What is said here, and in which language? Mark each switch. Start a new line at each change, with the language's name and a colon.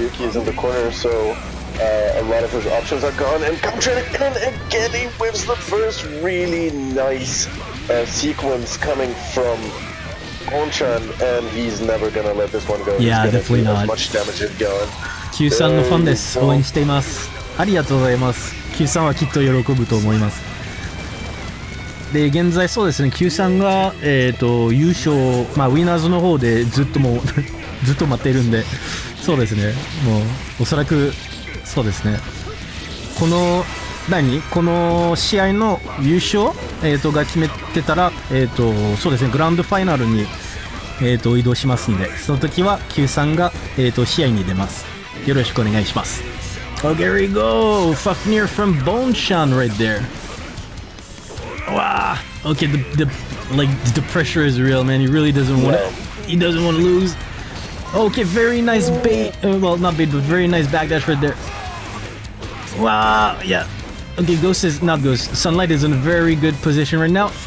English: Yuki is in the corner, so a lot of his options are gone. And Countrick, and again, he whips the first really nice sequence coming from Bonchan, and he's never gonna let this one go. Yeah, he's definitely not. As much damage is going.
Japanese: Q-san no fun desu. Oh. Oen shiteimasu. ありがとうございます Q さん はきっと喜ぶと思います で、現在そうですね Q さん が優勝 ウィナーズ の方でずっともう ずっと待っているんで そうですね もうおそらく そうですね この 何? この試合の優勝 が決めてたら そうですね グランドファイナルに移動しますんで その時は Q さん が試合に出ます よろしくお願いします
English: Okay, here we go! Fafnir from Bonchan right there. Wow! Okay, the pressure is real, man. He really doesn't want to lose. Okay, very nice bait. Well, not bait, but very nice backdash right there. Wow, yeah. Okay, Ghost is not Ghost. Sunlight is in a very good position right now.